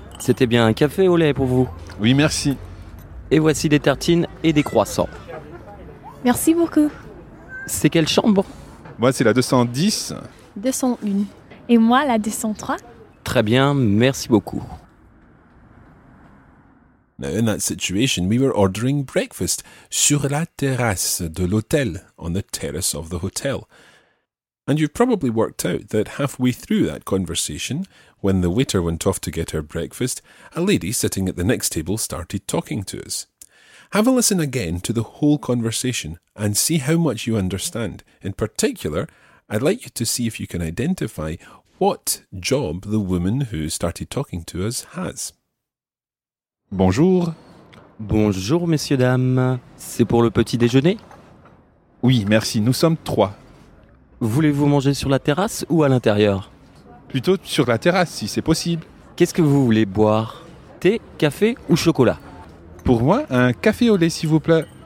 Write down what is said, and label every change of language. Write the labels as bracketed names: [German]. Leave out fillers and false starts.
[French] C'était bien un café au lait pour vous. Oui, merci. Et voici des tartines et des croissants. Merci beaucoup. C'est quelle chambre? Moi, c'est la 210. 201. Et moi, la 203. Très bien, merci beaucoup. [English] Now, in that situation, we were ordering breakfast [French] sur la terrasse de l'hôtel, [English] on the terrace of the hotel. And you've probably worked out that halfway through that conversation, when the waiter went off to get her breakfast, a lady sitting at the next table started talking to us. Have a listen again to the whole conversation and see how much you understand. In particular, I'd like you to see if you can identify what job the woman who started talking to us has. [French] Bonjour. Bonjour, messieurs, dames. C'est pour le petit déjeuner? Oui, merci. Nous sommes trois. Voulez-vous manger sur la terrasse ou à l'intérieur? Plutôt sur la terrasse, si c'est possible. Qu'est-ce que vous voulez boire? Thé, café ou chocolat? Pour moi, un café au lait, s'il vous plaît.